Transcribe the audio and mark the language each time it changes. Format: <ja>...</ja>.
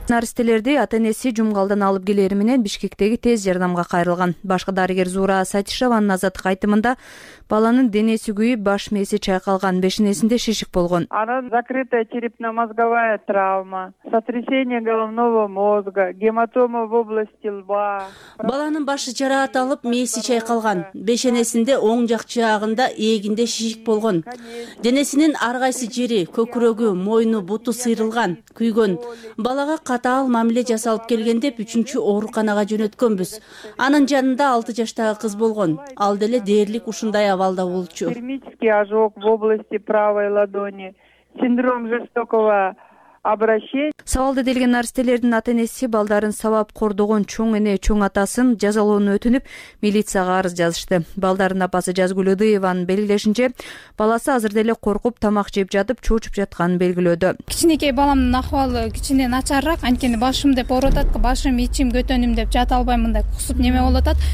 <ky>наристелерди ата энеси жумгалдан алып келери менен Бишкектеги тез жардамга кайрылган. Башка дарыгер Зура Сатишеванын азаттык айтымында баланын денеси күйүп, баш мээси чайкалган, бешинесинде шишик болгон. Анан</ky> <ru>закрытая черепно-мозговая травма, сотрясение головного мозга, гематома в области лба.</ru> <ky>Баланын башы жараат алып, мээси чайкалган, бешенесинде оң жак жаагында ээгинде шишик болгон. Денесинин ар кайсы жери, көкүрөгү, мойну, буту сыйрылган, күйгөн. Балага катаал мамиле жасалып келген деп 3-чү ооруканага жөнөткөнбүз. Анын жанында 6 жаштагы кыз болгон. Ал деле дээрлик ушундай абалда болчу.</ky> <ru>Термический ожог в области правой ладони. Синдром жестокого обращения.</ru> <ky>Сабалды делген наристелердин ата энеси балдарын сабап кордогон чоң эне чоң атасын жазалоону өтүнүп, милицияга арыз жазышты. Балдарын апасы Жазгүл Өдыеванын белгилешинче, баласы азыр деле коркуп тамак жеп жатып чоочуп жатканын белгилөдү. Кичинекей баламдын акыбалы кичине начарыраак, анткени башым деп ооруп атат, башым, ичим, көтөнүм деп жата албай, мындай кусуп неме болуп атат.</ky>